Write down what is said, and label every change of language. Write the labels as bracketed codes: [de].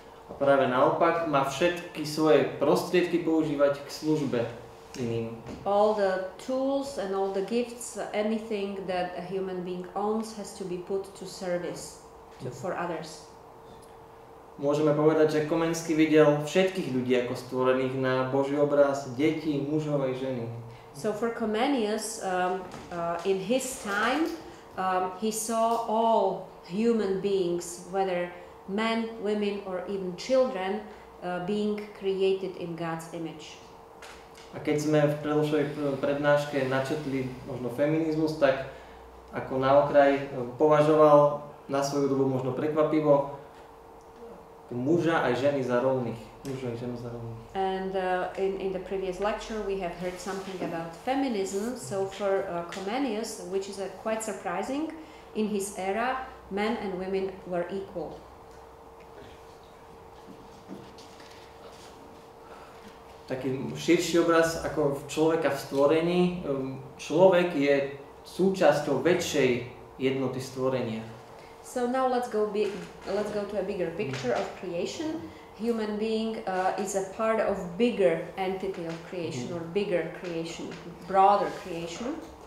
[sk] A práve naopak, má všetky svoje prostriedky používať k službe iným. [en] All the tools and all the gifts, anything that a human being owns has to be put to service for others. [sk] Môžeme povedať, že Komenský videl všetkých ľudí ako stvorených na Boží obraz, deti, mužov aj ženy. [en] So for Comenius, in his time, he saw all human beings, whether men, women or even children, being created in God's image. [sk] A keď sme v predložovej prednáške načetli možno feminizmus, tak ako na okraj považoval na svoju dobu možno prekvapivo muža aj ženy za rovných. Muža aj ženy za rovných. [en] And in the previous lecture we have heard something about feminism. So for Comenius, which is quite surprising, in his era, men and women were equal. [sk] Taký širší obraz ako človeka v stvorení. Človek je súčasťou väčšej jednoty stvorenia. [en] So now let's go to a bigger picture of creation. Human being is a part of bigger entity of creation, or bigger creation, broader creation.